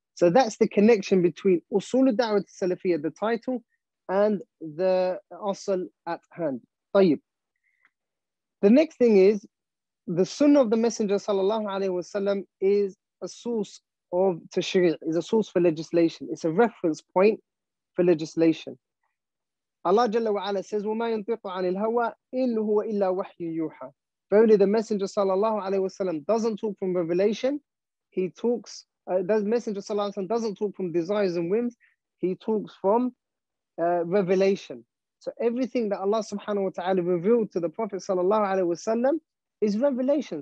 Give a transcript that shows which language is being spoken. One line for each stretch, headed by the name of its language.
English: So that's the connection between Usul al-Da'wah al-Salafiyyah, the title, and the Asl at hand. Tayyib. The next thing is, the Sunnah of the Messenger sallallahu alayhi wasallam is a source of tashri', is a source for legislation. It's a reference point for legislation.
Arabic: Allah Jalla wa Ala says, وَمَا يَنْطِقُ عَنِ الْهَوَىٰ إِنْ هُوَ إِلَّا وَحْيٌ يُوحَىٰ.
English: Verily the Messenger sallallahu alayhi wa sallam doesn't talk from revelation. He talks, the Messenger sallallahu alayhi wa sallam doesn't talk from desires and whims. He talks from revelation. So everything that Allah subhanahu wa ta'ala revealed to the Prophet sallallahu alayhi wa sallam is revelation.